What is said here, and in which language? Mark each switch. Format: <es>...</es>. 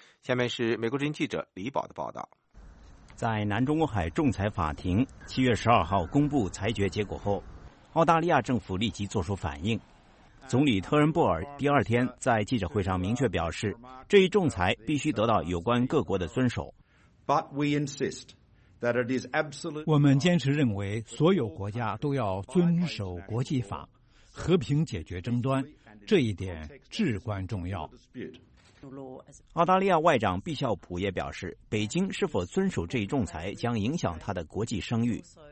<zh>下面是美国之音记者李宝的报道。在南中国海仲裁法庭七月十二号公布裁决结果后，澳大利亚政府立即作出反应。总理特恩布尔第二天在记者会上明确表示，这一仲裁必须得到有关各国的遵守。</zh> <en>But we insist that it is absolutely.</en> <zh>我们坚持认为，所有国家都要遵守国际法，和平解决争端，这一点至关重要。澳大利亚外长毕肖普也表示，北京是否遵守这一仲裁将影响他的国际声誉。</zh>